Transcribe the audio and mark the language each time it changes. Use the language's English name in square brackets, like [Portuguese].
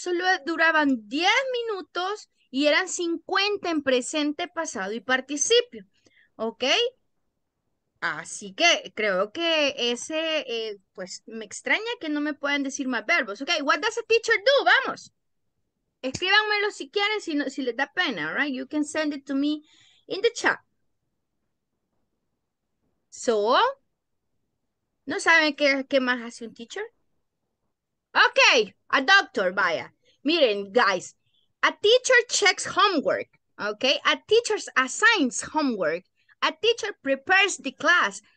[Spanish] Solo duraban 10 minutos y eran 50 en presente, pasado y participio. ¿Ok? Así que creo que ese, pues me extraña que no me puedan decir más verbos. [English] Ok, what does a teacher do? [Spanish] Vamos. Escríbanmelo si quieren, si, no, si les da pena. [English] All right, you can send it to me in the chat. [Spanish] So, ¿no saben qué más hace un teacher? [English] Ok, a doctor, [Spanish] vaya. Miren, [English] guys, a teacher checks homework, ok? A teacher assigns homework. A teacher prepares the class.